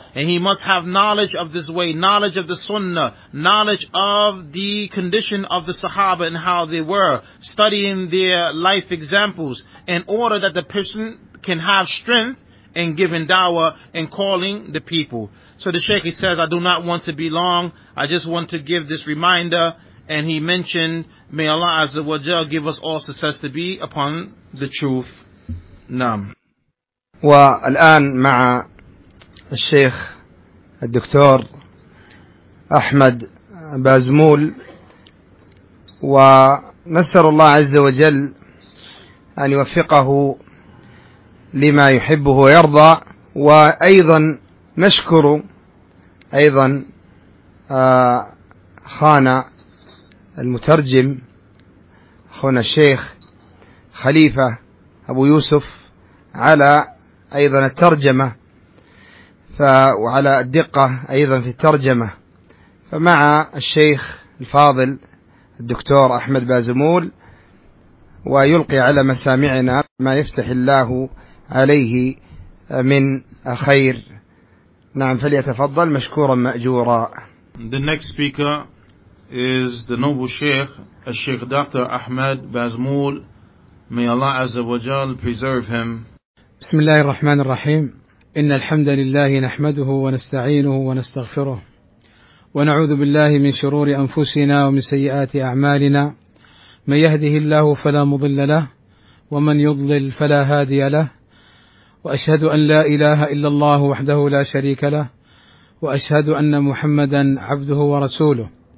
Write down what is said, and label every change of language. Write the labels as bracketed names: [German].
[English] And he must have knowledge of this way, knowledge of the Sunnah, knowledge of the condition of the Sahaba and how they were, studying their life examples, in order that the person can have strength in giving da'wah and calling the people. So the Shaykh, he says, I do not want to be long, I just want to give this reminder. And he mentioned, may Allah Azza wa Jal give us all success to be upon the truth. Naam. [Arabic] والآن مع الشيخ الدكتور أحمد بازمول, ونسأل الله عز وجل أن يوفقه لما يحبه ويرضى, وأيضا نشكر أيضا خانا المترجم أخونا الشيخ خليفة أبو يوسف على أيضا الترجمة وعلى الدقة أيضا في الترجمة. فمع الشيخ الفاضل الدكتور أحمد بازمول, ويلقي على مسامعنا ما يفتح الله عليه من خير. نعم فليتفضل مشكورا مأجورا. [English] The next speaker is the noble Sheikh, Sheikh Dr. Ahmed Bazmoul. May Allah Azza wa Jal preserve him. [Arabic] بسم الله الرحمن الرحيم. إن الحمد لله نحمده ونستعينه ونستغفره ونعوذ بالله من شرور أنفسنا ومن سيئات أعمالنا, من يهده الله فلا مضل له ومن يضلل فلا هادي له, وأشهد أن لا إله إلا الله وحده لا شريك له, وأشهد أن محمدا عبده ورسوله.